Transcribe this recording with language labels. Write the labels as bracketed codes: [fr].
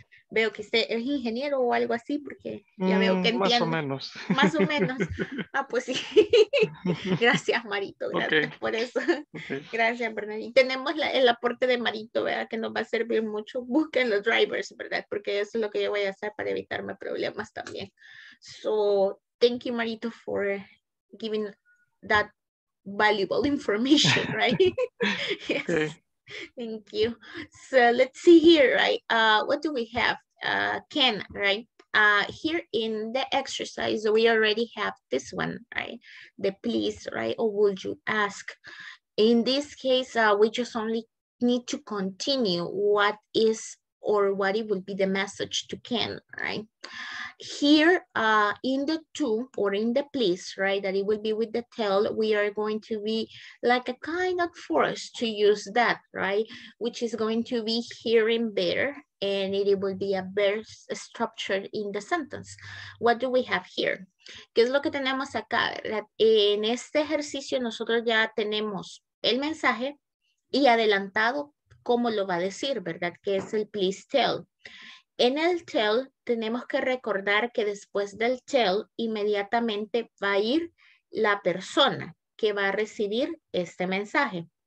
[es] Veo que usted es ingeniero o algo así, porque ya veo que entiendo. Más o menos. Ah, pues sí. Gracias, Marito. Gracias por eso. Okay. Gracias, Bernadine. Tenemos el aporte de Marito, ¿verdad? Que nos va a servir mucho. Busquen los drivers, ¿verdad? Porque eso es lo que yo voy a hacer para evitarme problemas también. [en] So, thank you, Marito, for giving that valuable information, right? Yes. Okay. Thank you. So let's see here, right? What do we have? Ken, right? Here in the exercise, we already have this one, right? The please, right? Or would you ask? In this case, we just only need to continue what is or what it would be the message to Ken, right? Here in the to or in the please, right, that it will be with the tell, we are going to be like a kind of forced to use that, right, which is going to be here in there, and it will be a verse structure in the sentence. What do we have here? [es] ¿Qué es lo que tenemos acá? En este ejercicio nosotros ya tenemos el mensaje y adelantado cómo lo va a decir, ¿verdad? Que es el please tell. En el tell tenemos que recordar que después del tell inmediatamente va a ir la persona que va a recibir este mensaje.